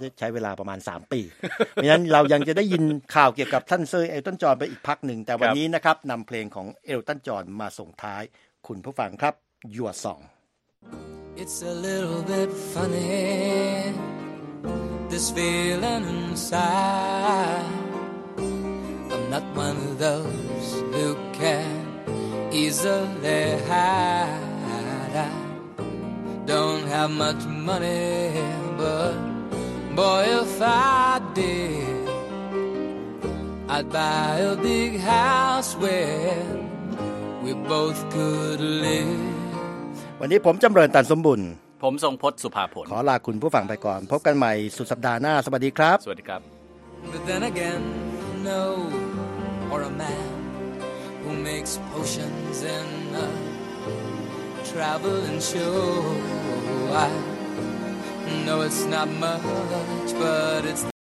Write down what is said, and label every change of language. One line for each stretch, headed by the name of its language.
Thai: ใช้เวลาประมาณ3ปีเพราะฉะนั้นเรายังจะได้ยินข่าวเกี่ยวกับท่านเซอร์เอลตันจอห์นไปอีกพักหนึ่งแต่วันนี้นะครับนำเพลงของเอลตันจอห์นมาส่งท้ายคุณผู้ฟังครับ Your Song
English: It's a little bit funny This feeling inside I'm not one of those who canEasily hide. I don't have much money, but boy, if I did, I'd buy a big house where we both could live.
Thai: วันนี้ผมจำเริญตันสมบุญ ผมทรงพจน์สุภาผล ขอลาคุณผู้ฟังไปก่อนพบกันใหม่สุดสัปดาห์หน้าสวัสดีครับ สวัสดีครับ
English: But then again, no, or a man. Who makes potions in a traveling show? I know it's not much, but it's.